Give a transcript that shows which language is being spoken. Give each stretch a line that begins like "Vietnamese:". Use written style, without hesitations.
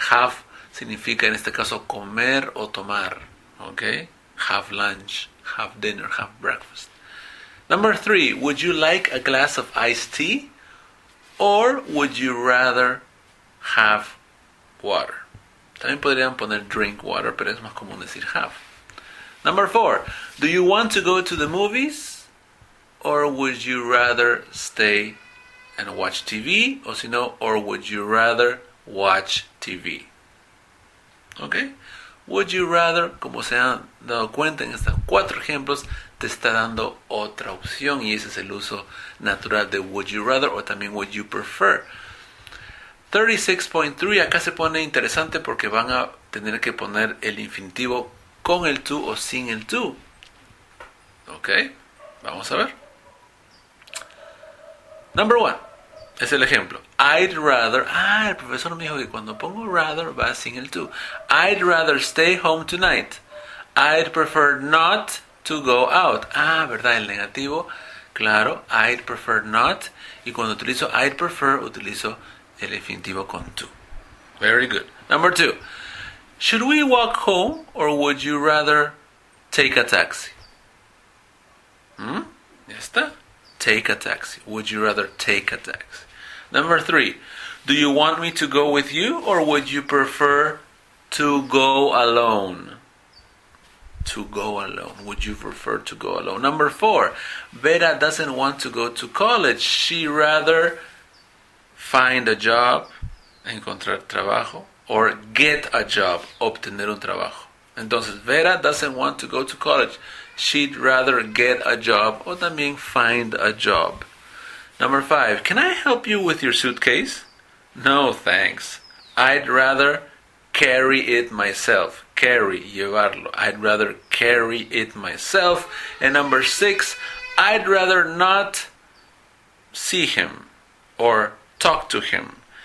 Spanish: Have significa en este caso comer o tomar. Okay?
English: Have lunch, have dinner, have breakfast. Number three. Would you like a glass of iced tea or would you rather have water?
Spanish: También podrían poner drink water, pero es más común decir have.
English: Number four. Do you want to go to the movies? Or would you rather stay and watch TV?
Spanish: O si no,
English: or would you rather watch TV?
Spanish: ¿Ok?
English: Would you rather,
Spanish: como se han dado cuenta en estos cuatro ejemplos, te está dando otra opción. Y ese es el uso natural de would you rather o también would you prefer. 36.3, acá se pone interesante porque van a tener que poner el infinitivo con el to o sin el to. Ok, vamos a ver. Number one, es el ejemplo. I'd rather, el profesor me dijo que cuando pongo rather va sin el to.
English: I'd rather stay home tonight. I'd prefer not to go out. ¿Verdad?
Spanish: El negativo, claro, I'd prefer not. Y cuando utilizo I'd prefer, utilizo el infinitivo con to.
English: Very good. Number two. Should we walk home or would you rather take a taxi?
Spanish: ¿Ya está?
English: Take a taxi. Would you rather take a taxi? Number three. Do you want me to go with you or would you prefer to go alone? To go alone. Would you prefer to go alone? Number four. Vera doesn't want to go to college. She rather find a job,
Spanish: encontrar trabajo,
English: or get a job,
Spanish: obtener un trabajo.
English: Entonces, Vera doesn't want to go to college. She'd rather get a job, o también find a job. Number five, can I help you with your suitcase? No, thanks. I'd rather carry it myself. Carry, llevarlo. I'd rather carry it myself. And number six, I'd rather not see him, or talk to him.